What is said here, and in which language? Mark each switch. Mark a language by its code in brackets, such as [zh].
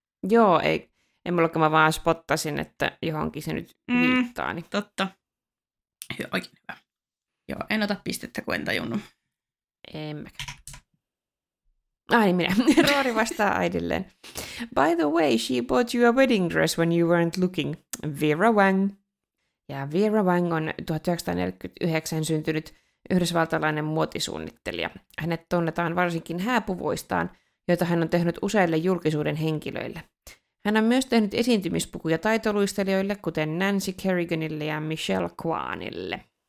[fi] Joo, ei. En mullakaan, mä vaan spottasin, että johonkin se nyt viittaa. Niin. Totta. Oikein hyvä. Joo, en ota pistettä, kun en tajunnut. En mäkään. Ai niin, minä. Roori vastaa äidilleen. [en] By the way, she bought you a wedding dress when you weren't looking. Vera Wang. [fi] Ja Vera Wang on 1949 syntynyt yhdysvaltalainen muotisuunnittelija. Hänet tunnetaan varsinkin hääpuvoistaan, joita hän on tehnyt useille julkisuuden henkilöille. Hän on myös tehnyt esiintymispukuja taitoluistelijoille, kuten Nancy Kerriganille ja Michelle Kwanille.